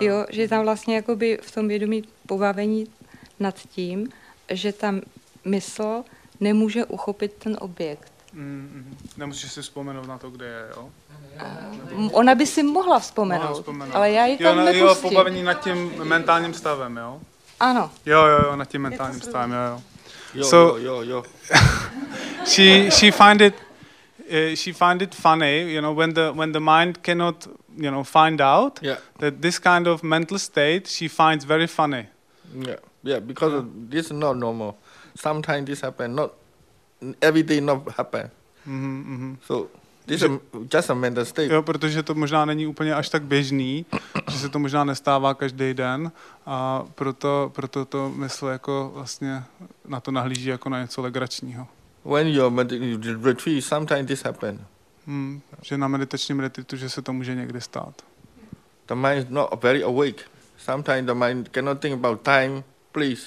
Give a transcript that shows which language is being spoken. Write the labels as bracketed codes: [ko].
[cs] Že je tam vlastně jakoby v tom vědomí pobavení nad tím, že ta mysl nemůže uchopit ten objekt. Nemusíš si vzpomenout na to, kde je, jo? Ona by si mohla vzpomenout, ale já ji tam nepustím. Jo, pobavení nad tím mentálním stavem, jo? Ano. Jo, nad tím mentálním stavem, jo. Jo. [en] she find it funny, you know, when the mind cannot, you know, find out that this kind of mental state she finds very funny. Yeah, because this is not normal. Sometimes this happen, not every day not happen. So this is just a mental state. [cs] Jo, protože to možná není úplně až tak běžný, že se to možná nestává každý den, a proto to mysl jako vlastně na to nahlíží jako na něco legračního. [en] When you're retreat, sometimes this happen. [cs] Že na meditačním retreatu, že se to může někdy stát. [en] The mind is not very awake. Sometimes the mind cannot think about time, please.